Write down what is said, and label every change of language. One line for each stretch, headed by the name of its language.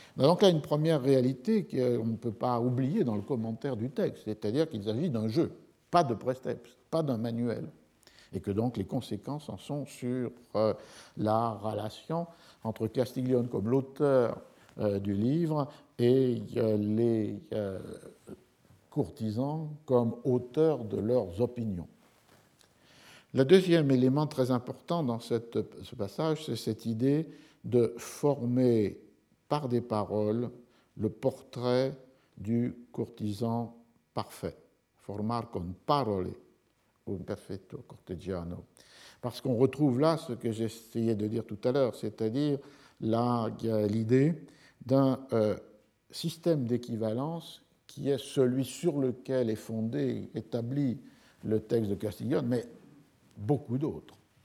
French: On a donc là une première réalité qu'on ne peut pas oublier dans le commentaire du texte, c'est-à-dire qu'il s'agit d'un jeu, pas de préceptes, pas d'un manuel, et que donc les conséquences en sont sur la relation entre Castiglione comme l'auteur du livre et les courtisans comme auteurs de leurs opinions. Le deuxième élément très important dans ce passage, c'est cette idée de former par des paroles le portrait du courtisan parfait.
Italian: Formar con parole un perfetto cortigiano.
French: Parce qu'on retrouve là ce que j'essayais de dire tout à l'heure, c'est-à-dire l'idée d'un système d'équivalence qui est celui sur lequel est fondé, établi le texte de Castiglione, mais beaucoup d'autres.